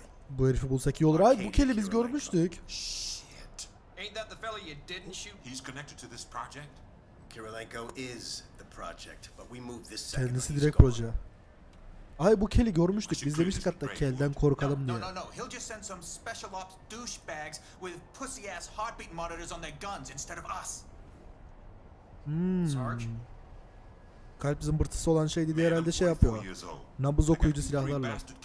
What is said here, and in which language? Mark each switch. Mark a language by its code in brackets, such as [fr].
[tr] Bu herifi bulsak iyi olur. Ay, bu keli biz görmüştük. [en] Ain't that the fella you didn't shoot? He's connected to this project. Kirilenko is the project, but we moved this [tr] second. Kendisi direkt proje. Ay, bu Kelly görmüştük. Biz demiştik hatta Kel'den korkalım diye. [en] No. He'll just send some special ops douchebags with pussy ass heartbeat monitors on their guns instead of us. Sarge. [tr] Kalp zımbırtısı olan şeydi diye herhalde şey yapıyor. Nabız okuyucu silahlarla.